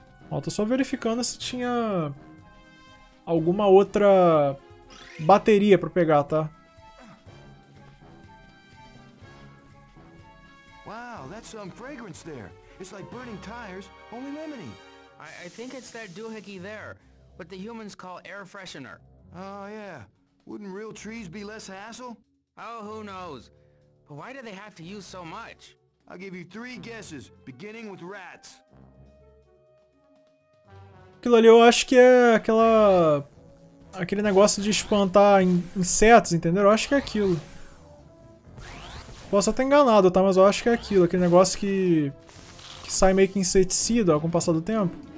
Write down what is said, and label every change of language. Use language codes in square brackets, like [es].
[pt] Ó, tô só verificando se tinha alguma outra bateria pra pegar, tá? Uau, isso é uma fragrância lá. É como queimar os tires, só limonada. Eu acho que é aquele doohickey lá, o que os humanos chamam de air freshener. Oh, sim. [en] Wouldn't real trees be less hassle? Oh, who knows? But why do they have to use so much? I'll give you three guesses, beginning with rats. [pt] Aquilo ali eu acho que é aquela... aquele negócio de espantar insetos, entendeu? Eu acho que é aquilo. Posso até enganado, tá? Mas eu acho que é aquilo. Aquele negócio que sai meio que inseticida, ó, com o passar do tempo.